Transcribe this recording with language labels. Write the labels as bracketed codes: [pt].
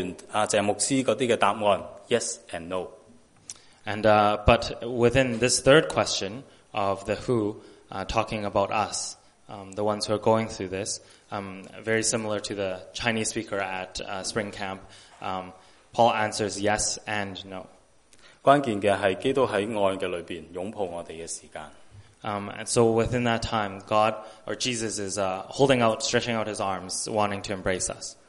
[zh] 但是面对着这个第三个的谁人，保罗学了我们春令会的讲员，谢牧师那些的答案, [en] yes and no. And, but within this third question of the who, talking about us, the ones who are going through this, very similar to the Chinese speaker at spring camp, Paul answers yes and no. [zh] 关键的是基督在爱的里面拥抱我们的时间。 [en] And so within that time, God or Jesus is holding out, stretching out his arms, wanting to embrace us.